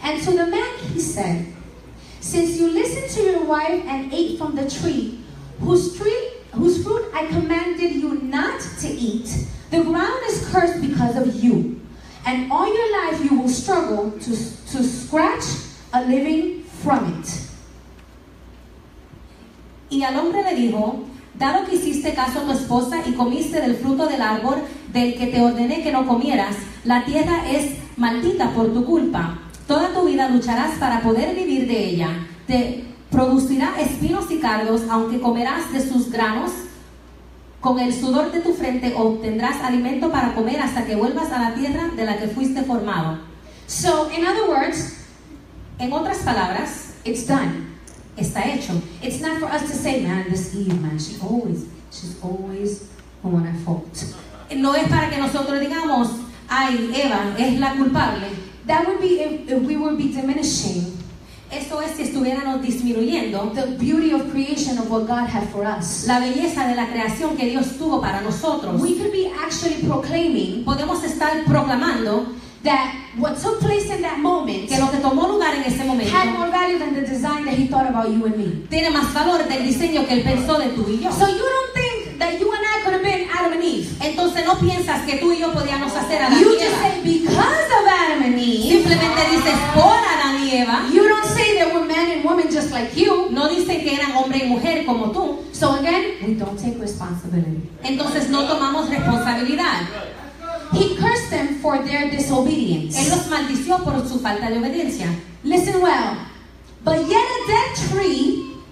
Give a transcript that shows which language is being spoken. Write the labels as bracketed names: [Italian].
[English] and to the man he said, since you listened to your wife and ate from the tree, whose fruit I commanded you not to eat, the ground is cursed because of you. And all your life you will struggle to scratch a living from it. [Spanish] Y al hombre le dijo, dado que hiciste caso a tu esposa y comiste del fruto del árbol del que te ordené que no comieras, la tierra es maldita por tu culpa. Toda tu vida lucharás para poder vivir de ella. Te producirá espinos y cardos, aunque comerás de sus granos. Con el sudor de tu frente obtendrás alimento para comer hasta que vuelvas a la tierra de la que fuiste formado. [English] So, in other words, [Spanish] en otras palabras, [English] it's done. [Spanish] Está hecho. [English] It's not for us to say, man, this Eve, man, she's always on our fault. [Spanish] No es para que nosotros digamos, ay, Eva, es la culpable. [English] That would be if we would be diminishing. [Spanish] Esto es si estuviéramos disminuyendo [English] the beauty of creation of what God had for us. [Spanish] La belleza de la creación que Dios tuvo para nosotros. [English] We could be actually proclaiming, [Spanish] podemos estar proclamando, [English] that what took place in that moment, [Spanish] que lo que tomó lugar en ese momento, [English] had more value than the design that he thought about you and me. [Spanish] Tiene más valor del diseño que él pensó de tú y yo. [English] So you don't think that you and I could have been Adam and Eve. [Spanish] Entonces no piensas que tú y yo podíamos hacer Adán y Eva. [English] You just say because of Adam and Eve. [Spanish] Simplemente dices por Adán y Eva. [English] You don't say that we're man and woman just like you. [Spanish] No dicen que eran hombre y mujer como tú. [English] So again, we don't take responsibility. [Spanish] Entonces no tomamos responsabilidad. [English] He cursed them for their disobedience. [Spanish] Él los maldició por su falta de obediencia. [English] Listen well. But yet a dead tree,